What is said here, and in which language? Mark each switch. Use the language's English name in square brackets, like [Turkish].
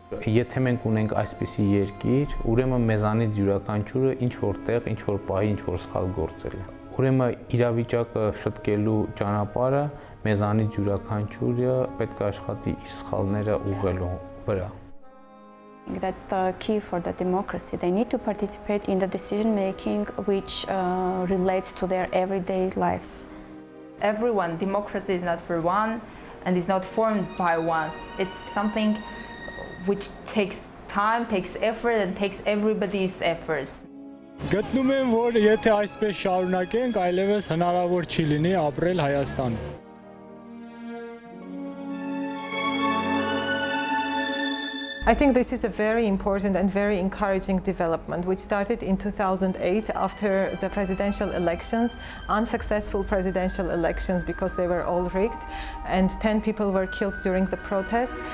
[Armenian] Եթե մենք ունենք այսպիսի երկիր, ուրեմն մեզանից յուրաքանչյուրը ինչ որ տեղ, ինչ որ պահի, ինչ որ սխալ գործել է։ Ուրեմն իրավիճակը շտկելու ճանապարհը մեզանից յուրաքանչյուրը պետք է աշխատի իր սխալները ուղղելու վրա։ [English] That's the key for the democracy. They need to participate in the decision making which relates to their everyday lives. Everyone, democracy is not for one and is not formed by once. It's something which takes time, takes effort, and takes everybody's efforts. [Armenian] Գտնում եմ, որ եթե այսպես շարունակենք, այլևս հնարավոր չի լինի ապրել Հայաստան։ [English] I think this is a very important and very encouraging development, which started in 2008 after the presidential elections, unsuccessful presidential elections because they were all rigged, and 10 people were killed during the protests.